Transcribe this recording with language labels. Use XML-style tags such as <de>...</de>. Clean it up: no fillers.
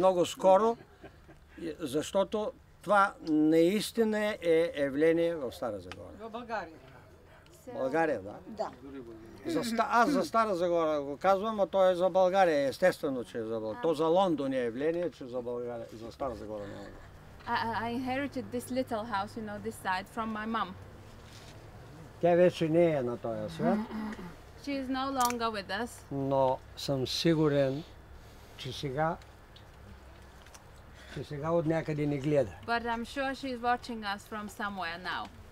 <bg>Много скоро, защото това наистина е явление в Стара Загора. В България. България, да. Да. Аз за Стара Загора го казвам, а то е за България, естествено, че е за България. То за Лондон е явление, че за България, за Стара Загора.</bg> <en>I inherited this little house, you know, this side from my mom.</en> <bg>Тя вече не е на този свят.</bg> <en>She is no longer with us.</en> <bg>Но съм сигурен, че сега от някъде ни гледа.</bg> <en>But I'm sure she is watching us from somewhere now.</en>